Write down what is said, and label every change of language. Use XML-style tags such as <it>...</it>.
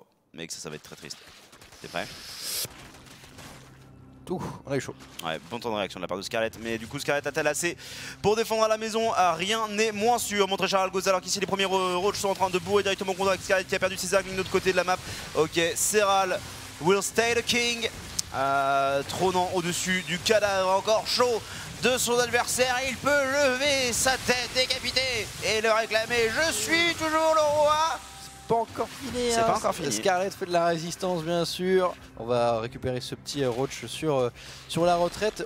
<fr>Oh mec, ça va être très triste. T'es prêt? Tout, on a eu chaud. Ouais, bon temps de réaction de la part de Scarlett. Mais du coup, Scarlett a-t-elle assez pour défendre à la maison? Rien n'est moins sûr. Montrer Charles Goz, alors qu'ici, les premiers roaches sont en train de bourrer directement contre avec Scarlett qui a perdu ses arcs de l'autre côté de la map.</fr> <en>Ok, Serral will stay the king.</en> <fr>Trônant au-dessus du cadavre encore chaud de son adversaire. Il peut lever sa tête décapitée et le réclamer. Je suis toujours le roi! Pas encore fini, c'est hein. Pas encore fini. Scarlett fait de la résistance bien sûr. On va récupérer ce petit roach sur la retraite.</fr>